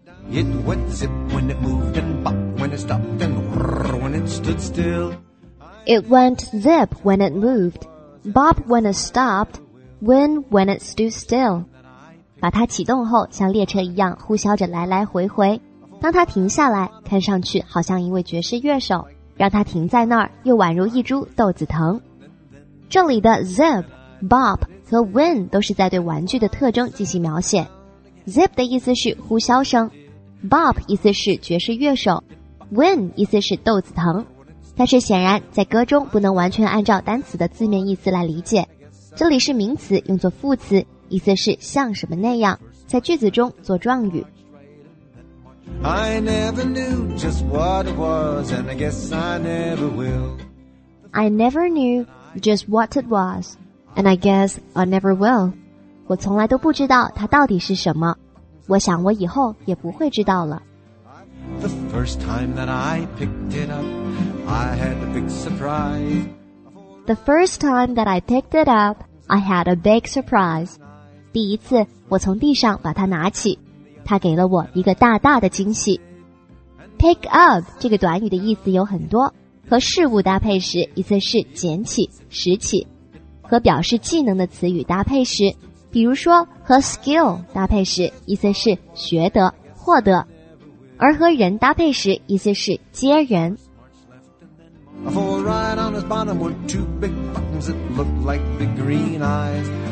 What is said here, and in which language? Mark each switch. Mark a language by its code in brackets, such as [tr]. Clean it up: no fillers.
[en] It went zip when it moved and bop when it stopped and whirr when it stood still. It went zip when it moved, bop when it stopped, win when it stood still. [zh] 把它启动后像列车一样呼啸着来来回回，当它停下来看上去好像一位爵士乐手，让它停在那儿又宛如一株豆子藤。这里的 zip, bop 和 win 都是在对玩具的特征进行描写。 zip 的意思是呼啸声， bop 意思是爵士乐手， win 意思是豆子藤，但是显然在歌中不能完全按照单词的字面意思来理解。这里是名词用作副词，意思是像什么那样，在句子中做状语。 [en] I never knew just what it was, and I guess I never will. I never knew just what it was, and I guess I never will. [zh] 我从来都不知道它到底是什么，我想我以后也不会知道了。 [en] The first time that I picked it up, I had a big surprise. The first time that I picked it up, I had a big surprise. [zh] 第一次我从地上把它拿起，它给了我一个大大的惊喜。 pick up 这个短语的意思有很多，和事物搭配时一次是捡起、拾起，和表示技能的词语搭配时，比如说和 skill 搭配时一次是学得、获得，而和人搭配时一次是接人。 [en] For right on its bottom were two big buttons that looked like big green eyes.